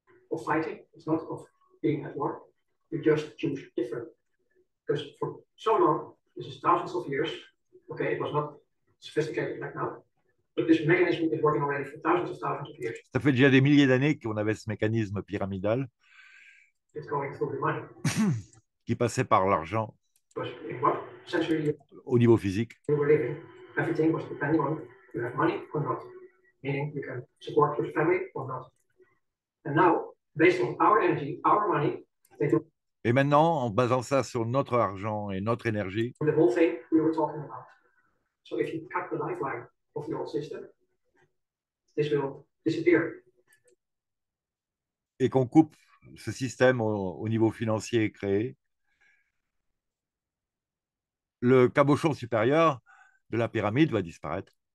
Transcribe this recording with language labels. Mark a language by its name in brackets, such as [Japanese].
[English] Of fighting, it's not of being at war. You just choose different. Because for so long, this is thousands of years, okay, it was not sophisticated like now. But this mechanism is working already for thousands of years. [French] Ça fait déjà des milliers d'années qu'on avait ce mécanisme pyramidal. [English] It's going through the money. [French] Qui passait par l'argent. [English] Because in what century? [French] Au niveau physique. [English] We were living. Everything was depending on you have money or not. Meaning you can support your family or not. And now, based on our energy, our money, they do. [French] Et maintenant, en basant ça sur notre argent et notre énergie, [English] the whole thing we were talking about. So if you cut the lifeline of the old system, this will disappear. [French] Et qu'on coupe ce système au niveau financier créé, le cabochon supérieur de la pyramide va disparaître.